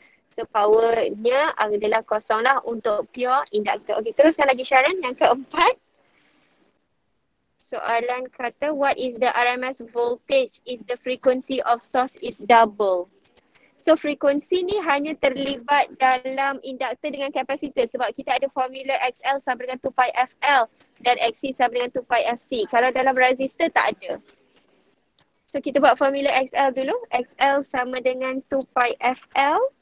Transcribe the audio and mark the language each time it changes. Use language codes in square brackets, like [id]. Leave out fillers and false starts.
[ms] So powernya adalah kosong lah untuk pure inductor. Okay, teruskan lagi Sharon. Yang keempat. Soalan kata, [en] what is the RMS voltage if the frequency of source is double? [ms] So frekuensi ni hanya terlibat dalam inductor dengan kapasitor sebab kita ada formula XL sama dengan 2 pi FL dan XC sama dengan 2 pi FC. Kalau dalam resistor tak ada. So kita buat formula XL dulu. XL sama dengan 2 pi FL.